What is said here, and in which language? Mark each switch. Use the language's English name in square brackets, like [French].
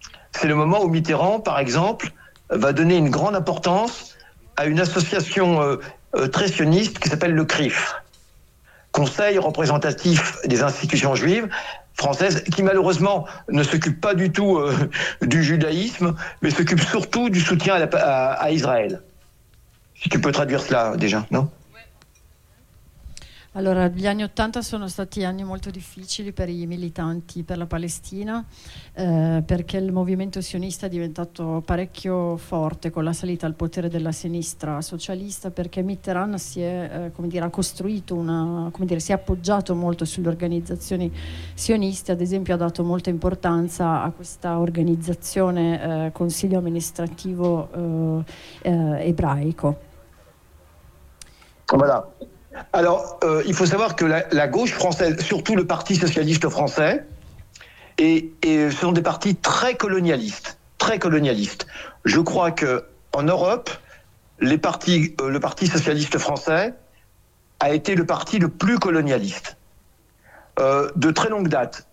[French] C'est le moment où Mitterrand, par exemple, va donner une grande importance à une association très sioniste qui s'appelle le CRIF, Conseil représentatif des institutions juives françaises, qui malheureusement ne s'occupe pas du tout du judaïsme, mais s'occupe surtout du soutien à Israël. Si tu peux traduire cela déjà, non ? [Italian] Allora, gli anni Ottanta sono stati anni molto difficili per i militanti per la Palestina, perché il movimento sionista è diventato parecchio forte con la salita al potere della sinistra socialista, perché Mitterrand si è, come dire, ha costruito una, come dire, si è appoggiato molto sulle organizzazioni sioniste, ad esempio ha dato molta importanza a questa organizzazione, consiglio amministrativo ebraico. [French] Voilà. Alors, il faut savoir que la gauche française, surtout le Parti socialiste français, et ce sont des partis très colonialistes, très colonialistes. Je crois que en Europe, les partis, le Parti socialiste français a été le parti le plus colonialiste de très longue date.